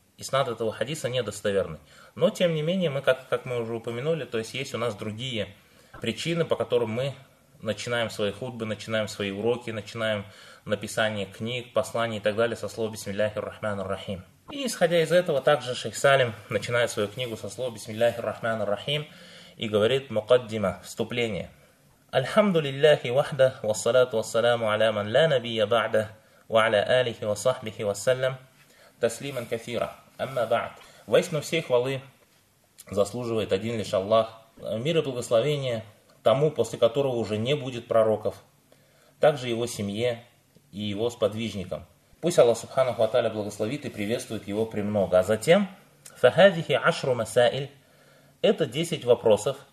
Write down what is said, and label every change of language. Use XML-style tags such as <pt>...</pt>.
<ru>Иснад этого хадиса недостоверный. Но, тем не менее, мы, как мы уже упомянули, то есть у нас другие причины, по которым мы начинаем свои хутбы, начинаем свои уроки, начинаем написание книг, посланий и так далее со слова «Бисмилляхир рахмянир рахим». И, исходя из этого, также шейх Салим начинает свою книгу со слова «Бисмилляхир рахмянир рахим» и говорит «Мукаддима» – «Вступление».</ru> <ar>الحمد لله وحده والصلاة والسلام على من لا نبي بعده وعلى آله وصحبه وسلم تسليما كثيرا أما بعد.</ar> <ru>Воистину все хвалы заслуживает один лишь Аллах, мир и благословение тому, после которого уже не будет пророков, также его семье и его сподвижникам. Пусть Аллах Субханаху ва Тааля благословит и приветствует его премного. А затем</ru> <ar>فهذه عشر مسائل,</ar> <ru>это 10 вопросов.</ru>